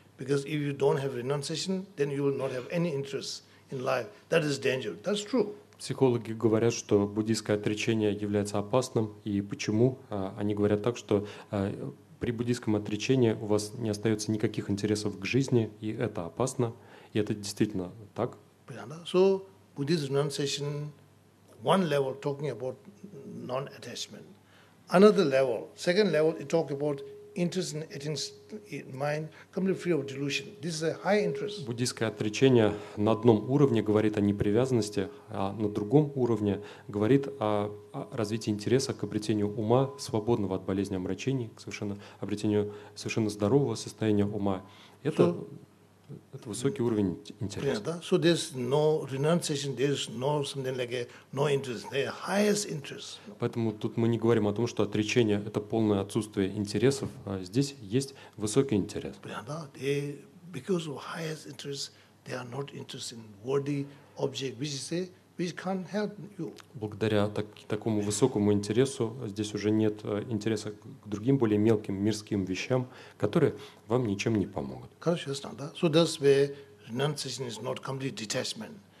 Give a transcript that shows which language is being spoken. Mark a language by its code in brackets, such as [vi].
[en] Because if you don't have renunciation, then you will not have any interest in life. That is danger. That's true. [ru] Психологи говорят, что буддийское отречение является опасным. И почему? Они говорят так, что при буддийском отречении у вас не остается никаких интересов к жизни, и это опасно. И это действительно так. Понятно. [en] So, Buddhist renunciation, one level talking about non-attachment. Another level, second level, it talks about interest in it in mind, completely free of delusion. This is a high interest. [ru] Буддийское отречение на одном уровне говорит о непривязанности, а на другом уровне говорит о развитии интереса к обретению ума, свободного от болезни омрачений, к совершенно обретению совершенно здорового состояния ума. Это высокий уровень интереса. [en] Да? So there's no renunciation, there's no something like no interest, the highest interest. [ru] Поэтому тут мы не говорим о том, что отречение – это полное отсутствие интересов, а здесь есть высокий интерес. Да? [en] They, because of highest interest, they are not interested in worldly object, which is a, which can't help you. [ru] Благодаря такому высокому интересу здесь уже нет интереса к другим более мелким мирским вещам, которые вам ничем не помогут. Хорошо, ясно, да? [en] So that's where renunciation is not complete detachment.